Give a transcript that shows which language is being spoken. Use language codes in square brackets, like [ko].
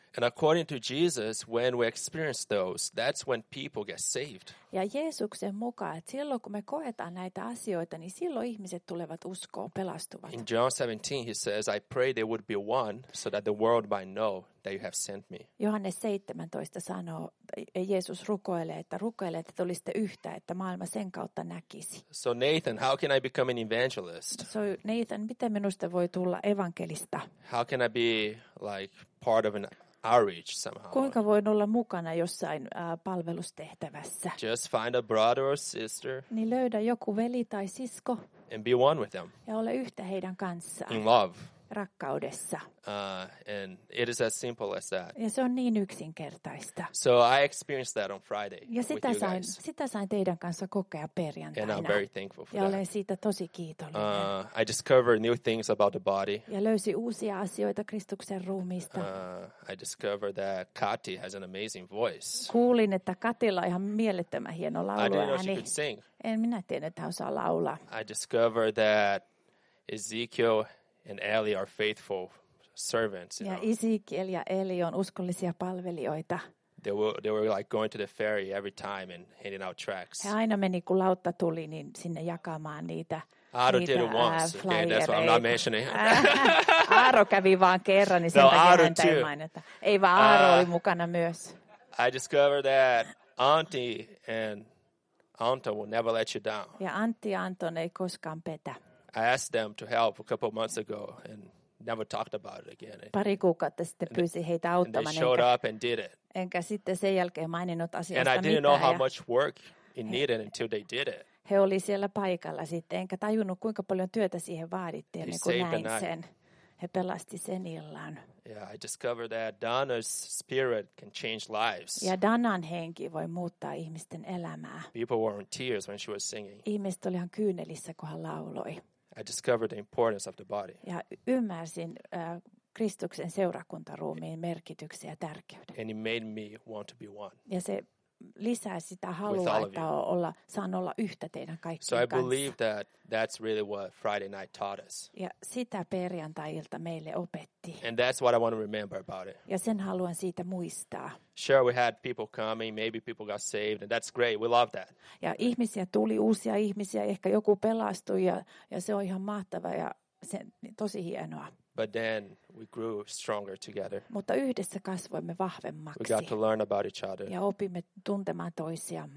[en] And according to Jesus, when we experience those, that's when people get saved. [fi] Ja Jeesuksen mukaan, että silloin kun me koetaan näitä asioita, niin silloin ihmiset tulevat uskoon, pelastuvat. [en] In John 17, he says, I pray they would be one, so that the world might know that you have sent me. [fi] Johannes 17 sanoo, Jeesus rukoilee, että tulisitte yhtä, että maailma sen kautta näkisi. [en] So Nathan, how can I become an evangelist? [fi] So Nathan, miten minusta voi tulla evankelista? [en] How can I be like part of an outreach somehow. [fi] Kuinka voin olla mukana jossain palvelustehtävässä? [en] Just find a brother or sister. [fi] Niin löydä joku veli tai sisko. [en] And be one with them. [fi] Ja ole yhtä heidän kanssaan. [en] In love. [fi] Rakkaudessa. [en] And it is as simple as that. [fi] Ja se on niin yksinkertaista. [en] So I experienced that on Friday. [fi] Ja sitä sain teidän kanssa kokea perjantaina. [en] And I'm very thankful for [fi] ja [en] that. [fi] Olen siitä tosi kiitollinen. [en] I discovered new things about the body. [fi] Ja löysin uusia asioita Kristuksen ruumiista. [en] I discovered that Kati has an amazing voice. [fi] Kuulin, että Katilla on ihan mielettömän hieno lauluääni. [en] I didn't know she could sing. [fi] En minä tiedä, että hän osaa laulaa. [en] I discovered that Ezekiel and Eli are faithful servants. [fi] Ja Ezekiel ja Eli on uskollisia palvelijoita. [en] They were like going to the ferry every time and handing out tracts. [fi] He aina meni, kun lautta tuli, niin sinne jakamaan niitä. [en] Aaro did it once. Okay, that's why I'm not mentioning. [fi] Aaro kävi vaan kerran, niin sen takia häntä ei mainita. Ei vaan Aaro oli mukana myös. [en] I discovered that Auntie and Anto will never let you down. [fi] Ja Antti ja Anton ei koskaan petä. [en] I asked them to help a couple of months ago and never talked about it again. [fi] Pari kuukautta sitten pyysin heitä auttamaan. [en] And they showed up and did it. [fi] Enkä sitten sen jälkeen maininnut asiasta mitään. [en] And I didn't know how much work it needed until they did it. [fi] He oli siellä paikalla sitten, enkä tajunnut kuinka paljon työtä siihen vaadittiin, ennen kuin näin sen. He pelasti sen illan. [en] Yeah, I discovered that Donna's spirit can change lives. [fi] Ja Donnan henki voi muuttaa ihmisten elämää. [en] People were in tears when she was singing. [fi] Ihmiset oli ihan kyynelissä, kun hän lauloi. [en] I discovered the importance of the body. [fi] Ja ymmärsin Kristuksen seurakuntaruumiin merkityksen ja tärkeyden. [en] And it made me want to be one. [fi] Ja se lisää sitä halua, että saan olla yhtä teidän kaikkien kanssa. [en] So I believe that that's really what Friday night taught us. [fi] Ja sitä perjantai-ilta meille opetti. [en] And that's what I want to remember about it. [fi] Ja sen haluan siitä muistaa. [en] Sure, we had people coming, maybe people got saved, and that's great, we love that. [fi] Ja ihmisiä tuli, uusia ihmisiä, ehkä joku pelastui, ja se on ihan mahtava ja tosi hienoa. [en] But then we grew stronger together. [fi] Mutta yhdessä kasvoimme vahvemmaksi. [en] We got to learn about each other. [fi] Ja opimme tuntemaan toisiamme.